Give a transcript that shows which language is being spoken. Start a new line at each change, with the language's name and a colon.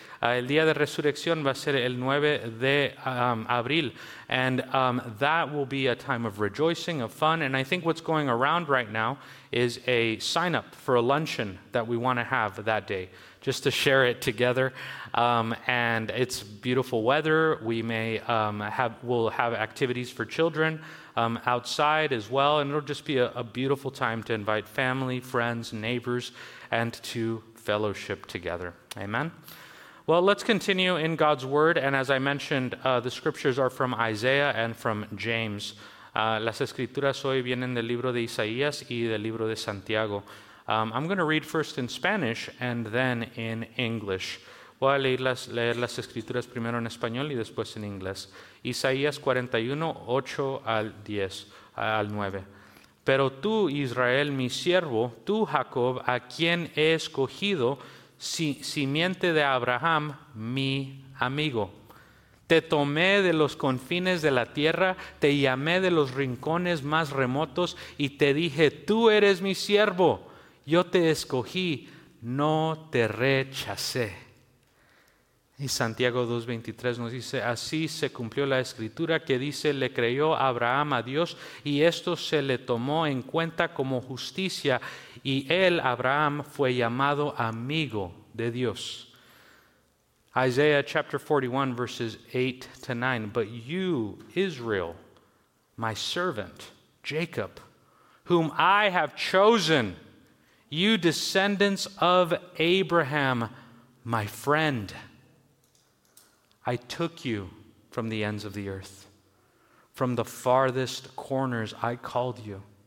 Spanish: El Día de Resurrección va a ser el 9 de abril.
English: And that will be a time of rejoicing, of fun. And I think what's going around right now is a sign-up for a luncheon that we want to have that day, just to share it together. And it's beautiful weather. We may we'll have activities for children outside as well. And it'll just be a beautiful time to invite family, friends, neighbors, and to fellowship together. Amen. Well, let's continue in God's word. And as I mentioned, the scriptures are from Isaiah and from James.
Spanish: Las escrituras hoy vienen del libro de Isaías y del libro de Santiago.
English: I'm going to read first in Spanish and then in English.
Spanish: Voy a leer las escrituras primero en español y después en inglés. Isaías 41, 8 al 10, al 9. Pero tú, Israel, mi siervo, tú, Jacob, a quien he escogido, simiente de Abraham, mi amigo. Te tomé de los confines de la tierra, te llamé de los rincones más remotos y te dije, tú eres mi siervo. Yo te escogí, no te rechacé. Y Santiago 2:23 nos dice, así se cumplió la escritura que dice, le creyó Abraham a Dios y esto se le tomó en cuenta como justicia y él, Abraham, fue llamado amigo de Dios.
English: Isaiah chapter 41 verses 8 to 9, but you, Israel, my servant, Jacob, whom I have chosen, you descendants of Abraham, my friend, I took you from the ends of the earth, from the farthest corners I called you.